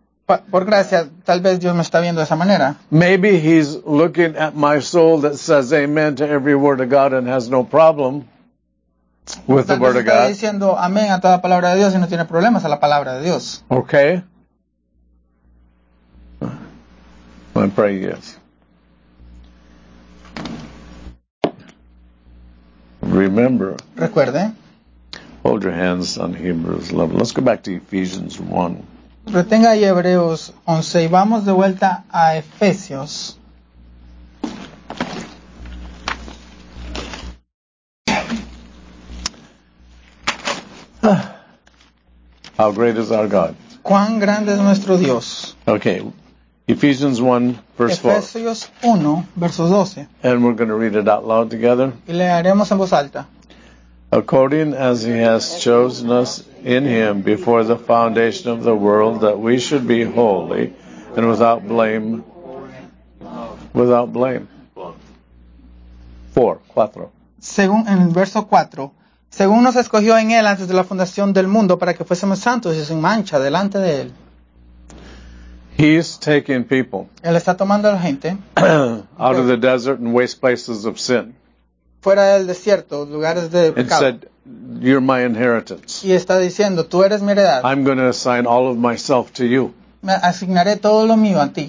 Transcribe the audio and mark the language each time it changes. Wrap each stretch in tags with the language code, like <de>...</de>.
<es>Por gracia, tal vez Dios me está viendo de esa manera.</es> <en>Maybe he's looking at my soul that says amen to every word of God and has no problem with the word of God.</en> <es>Está diciendo amén a toda palabra de Dios y no tiene problemas a la palabra de Dios.</es> <en>Okay. My prayer is remember.</en> <es>Recuerde.</es> <en>Hold your hands on Hebrews 11. Let's go back to Ephesians 1.</en> <es>Retenga ahí Hebreos 11 y vamos de vuelta a Efesios.</es> <en>How great is our God?</en> <es>¿Cuán grande es nuestro Dios?</es> <en>Okay. Ephesians 1, verse 4.</en> <es>Efesios 1, versos 12.</es> <en>And we're going to read it out loud together.</en> <es>Y leeremos en voz alta.</es> <en>According as he has chosen us in him before the foundation of the world, that we should be holy and without blame. Without blame. 4.</en> <es>Según en el verso 4, según nos escogió en él antes de la fundación del mundo para que fuésemos santos y sin mancha delante de él.</es> <en>He's taking people.</en> <es>Él está tomando a la gente.</es> <en>Out of the desert and waste places of sin.</en> <es>Fuera del desierto, lugares de pecado.</es> <en>And said, "You're my inheritance."</en> <es>Y está diciendo, tú eres mi heredad.</es> <en>I'm going to assign all of myself to you.</en> <es>Me asignaré todo lo mío a ti.</es>